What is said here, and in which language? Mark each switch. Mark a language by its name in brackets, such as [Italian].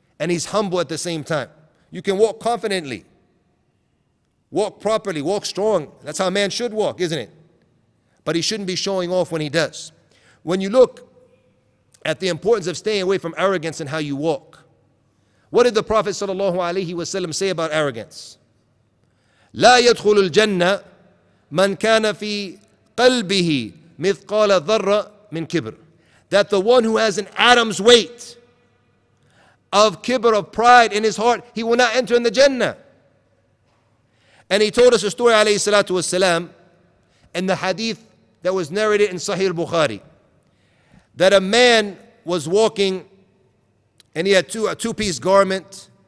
[English] And he's humble at the same time. You can walk confidently, walk properly, walk strong. That's how a man should walk, isn't it? But he shouldn't be showing off when he does. When you look at the importance of staying away from arrogance and how you walk, what did the Prophet sallallahu alaihi wasallam say about arrogance? [Arabic] لا يدخل الجنة من كان في قلبه مثقال ذرة من كبر. [English] That the one who has an atom's weight of kibr, of pride in his heart, he will not enter in the Jannah. And he told us a story, alayhi salatu wasalam, in the hadith that was narrated in Sahih al-Bukhari, that a man was walking and he had a two-piece garment.